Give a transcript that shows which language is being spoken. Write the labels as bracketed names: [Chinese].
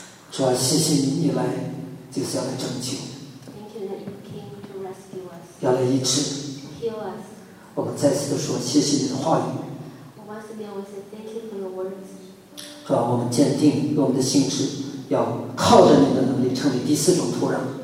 [Chinese] 主啊，谢谢你，你来就是要来拯救。 [English] Thank you that you came to rescue us. [Chinese] 要来医治。 [English] Heal us. [Chinese] 我们再次的说，谢谢你的话语。 [English] Once again, we say thank you for your words. [Chinese] 主啊，我们坚定我们的心志，要靠着你的能力成为第四种土壤。